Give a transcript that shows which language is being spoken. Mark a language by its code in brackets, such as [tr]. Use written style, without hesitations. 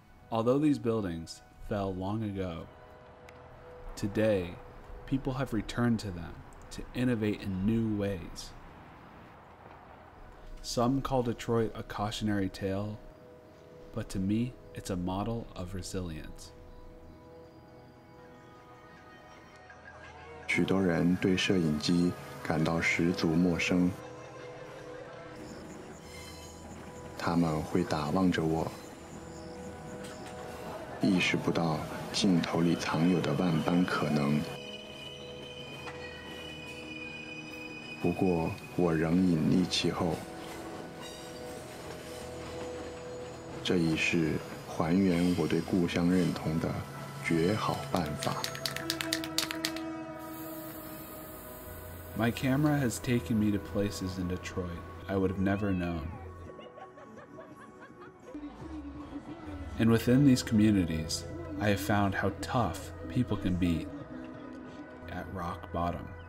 [en] Although these buildings fell long ago, today people have returned to them to innovate in new ways. Some call Detroit a cautionary tale, but to me, it's a model of resilience. [zh] 许多人对摄影机感到十足陌生，他们会打望着我，意识不到镜头里藏有的万般可能。不过我仍隐匿其后，这已是还原我对故乡认同的绝好办法。 [en] My camera has taken me to places in Detroit I would have never knownAnd within these communities, I have found how tough people can be at rock bottom.